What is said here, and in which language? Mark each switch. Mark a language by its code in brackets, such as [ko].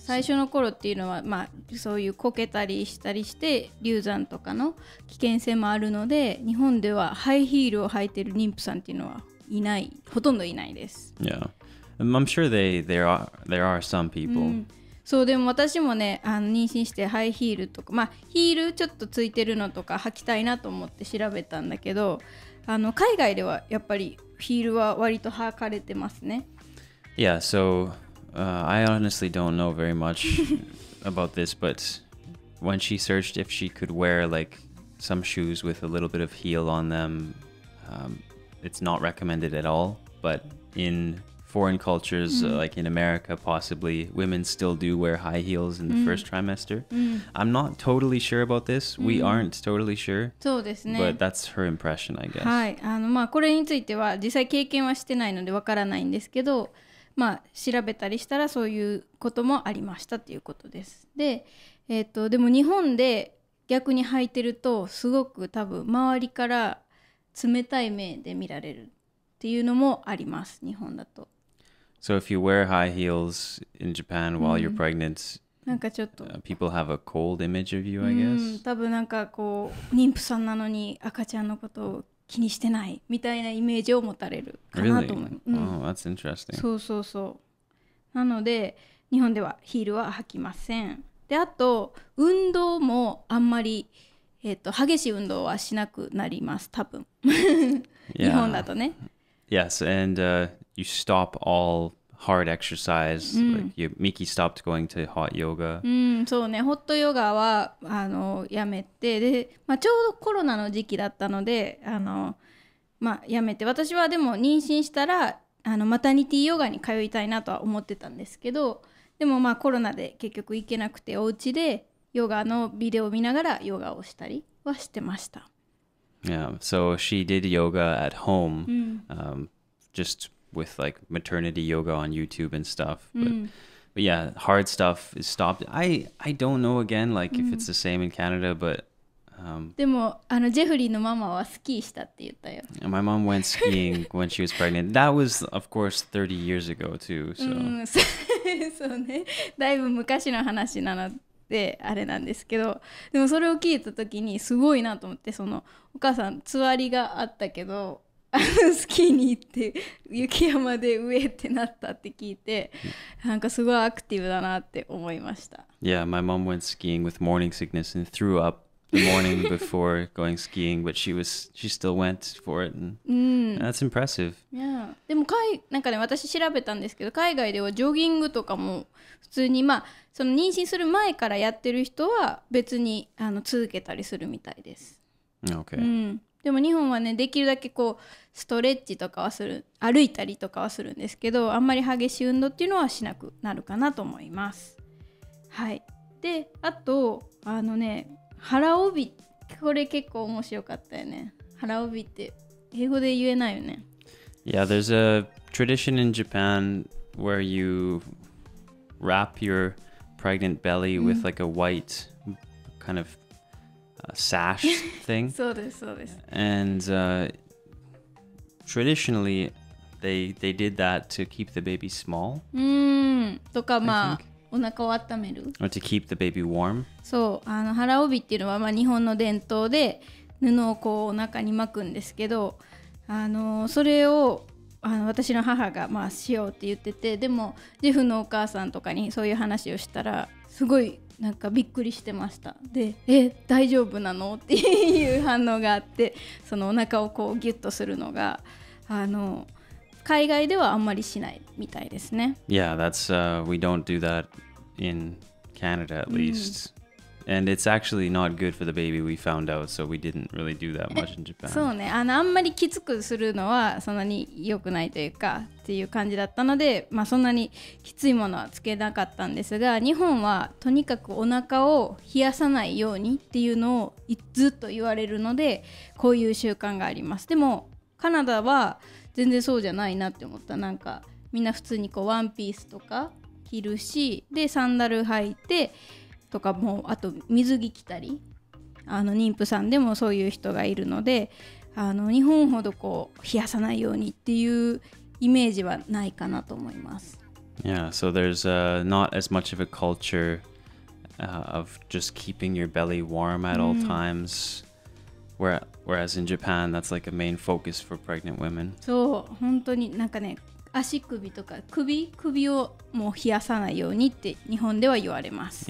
[ja] 最初の頃っていうのは、まあ、そういうこけたりしたりして流産とかの危険性もあるので日本ではハイヒールを履いてる妊婦さんっていうのはいない、ほとんどいないです。 [en] Yeah, I'm sure there are some people、うん、 [ja] そう、でも私もね、妊娠してハイヒールとか、まあ、ヒールちょっとついてるのとか履きたいなと思って調べたんだけど、海外ではやっぱりヒールは割と履かれてますね。 [en] Yeah, so、I honestly don't know very much about this, but when she searched if she could wear like some shoes with a little bit of heel on them,、it's not recommended at all. But in foreign cultures, like in America possibly, women still do wear high heels in the first trimester. I'm not totally sure about this. We aren't totally sure. [ja] そうですね。 [en] But that's her impression, I guess. [ja] はい。まあこれについては実際経験はしてないのでわからないんですけど、まあ調べたりしたらそういうこともありましたということです。で、でも日本で逆に履いてるとすごく多分周りから冷たい目で見られる。っていうのもあります、日本だと。 [en] So if you wear high heels in Japan while you're pregnant, [ja] なんかちょっと、 [en] people have a cold image of you, I guess. [ja] 多分なんかこう、妊婦さんなのに赤ちゃんのことを気にしてないみたいなイメージを持たれるかなと思う。 [en] Really?、うん、 oh, that's interesting. [ja] そうそうそう。なので、日本ではヒールは履きません。で、あと、運動もあんまり、激しい運動はしなくなります、多分。日本だとね。 [en] Yeah. Yes, and、you stop all hard exercise.、うん、 like you, Miki stopped going to hot yoga.、 [ja] うん、そうね、ホットヨガはやめて、で、まあ、ちょうどコロナの時期だったので、まあ、やめて、私はでも妊娠したらマタニティヨガに通いたいなとは思ってたんですけど、でもまあコロナで結局行けなくて、お家でヨガのビデオを見ながらヨガをしたりはしてました。 [en] Yeah, so she did yoga at home,、うん just with like maternity yoga on YouTube and stuff. But yeah, hard stuff is stopped. I don't know again, like、うん、if it's the same in Canada, but...、 [ja] でもジェフリーのママはスキーしたって言ったよ。 [en] My mom went skiing when she was pregnant. That was, of course, 30 years ago too, so...、 [ja] うん、そうね、だいぶ昔の話なのであれなんですけど、でもそれを聞いた時にすごいなと思って、そのお母さんつわりがあったけどスキーに行って雪山で上ってなったって聞いて、なんかすごいアクティブだなって思いました。 [en] Yeah, my mom went skiing with morning sickness and threw up the morning before going skiing, but she still went for it and that's impressive. [ja] Yeah, でもなんかね、私調べたんですけど、海外ではジョギングとかも普通に、まあその妊娠する前からやってる人は別に続けたりするみたいです。 [en] Okay、 [ja] うん、でも日本はね、できるだけこうストレッチとかはする、歩いたりとかはするんですけど、あんまり激しい運動っていうのはしなくなるかなと思います。はい。で、あとね、腹帯、これ結構面白かったよね。腹帯って英語で言えないよね。 [en] Yeah, there's a tradition in Japan where you wrap your pregnant belly with like a white kind of sash thing. [ja] そうです、そうです。 [en] And traditionally they did that to keep the baby small. [ja] とか、まあ、お腹を温める。 [en] Or to keep the baby warm. [ja] そう、腹帯っていうのは、まあ、日本の伝統で布をこうお腹に巻くんですけど、それをあの私の母がまあしようって言ってて、でもジェフのお母さんとかにそういう話をしたらすごいなんかびっくりしてました。で、え、大丈夫なのっていう反応があって、そのお腹をこうギュッとするのが、あの海外ではあんまりしないみたいですね。 [en] Yeah, that's, we don't do that in Canada at least、うん、And it's actually not good for the baby, we found out, so we didn't really do that much in Japan. [ja] そうね、あの、あんまりきつくするのはそんなに良くないというかっていう感じだったので、まあそんなにきついものはつけなかったんですが、日本はとにかくお腹を冷やさないようにっていうのをずっと言われるので、こういう習慣があります。でもカナダは全然そうじゃないなって思った。なんかみんな普通にこうワンピースとか着るし、でサンダル履いて、とかもあと水着着たり、あの妊婦さんでもそういう人がいるので、あの日本ほどこう冷やさないようにっていうイメージはないかなと思います。 [en] Yeah, so there's not as much of a culture of just keeping your belly warm at all times、うん、whereas in Japan that's like a main focus for pregnant women. [ja] そう、本当になんかね、足首とか首をもう冷やさないようにって日本では言われます。